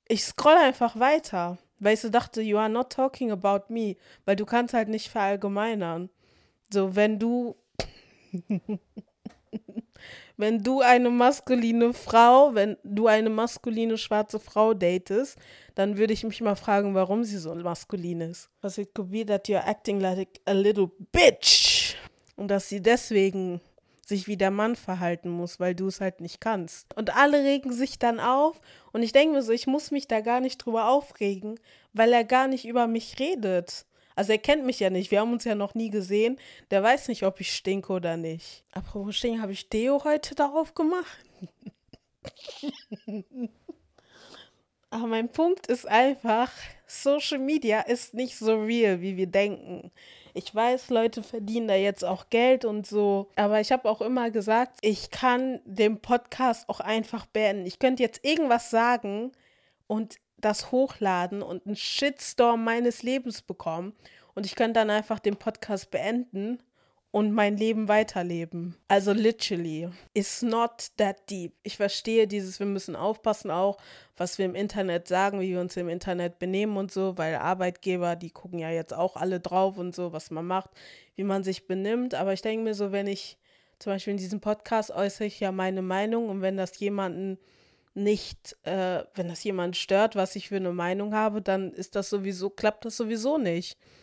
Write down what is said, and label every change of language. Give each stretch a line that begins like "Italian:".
German: Ich scroll einfach weiter, weil ich so dachte,
English: you are not talking about me.
German: Weil du kannst halt nicht verallgemeinern. So, wenn du... wenn du eine maskuline Frau, wenn du eine maskuline schwarze Frau datest, dann würde ich mich mal fragen, warum sie so maskulin ist.
English: Because it could be that you're acting like a little bitch.
German: Und dass sie deswegen sich wie der Mann verhalten muss, weil du es halt nicht kannst. Und alle regen sich dann auf. Und ich denke mir so, ich muss mich da gar nicht drüber aufregen, weil er gar nicht über mich redet. Also er kennt mich ja nicht, wir haben uns ja noch nie gesehen. Der weiß nicht, ob ich stinke oder nicht. Apropos stinken, habe ich Deo heute darauf gemacht? Aber mein Punkt ist einfach, Social Media ist nicht so real, wie wir denken. Ich weiß, Leute verdienen da jetzt auch Geld und so. Aber ich habe auch immer gesagt, ich kann den Podcast auch einfach beenden. Ich könnte jetzt irgendwas sagen und das hochladen und einen Shitstorm meines Lebens bekommen. Und ich könnte dann einfach den Podcast beenden und mein Leben weiterleben. Also
English: literally, it's not that deep.
German: Ich verstehe dieses, wir müssen aufpassen auch, was wir im Internet sagen, wie wir uns im Internet benehmen und so, weil Arbeitgeber, die gucken ja jetzt auch alle drauf und so, was man macht, wie man sich benimmt. Aber ich denke mir so, wenn ich zum Beispiel in diesem Podcast äußere ich ja meine Meinung und wenn das jemanden nicht, wenn das jemand stört, was ich für eine Meinung habe, dann ist das sowieso, klappt das sowieso nicht.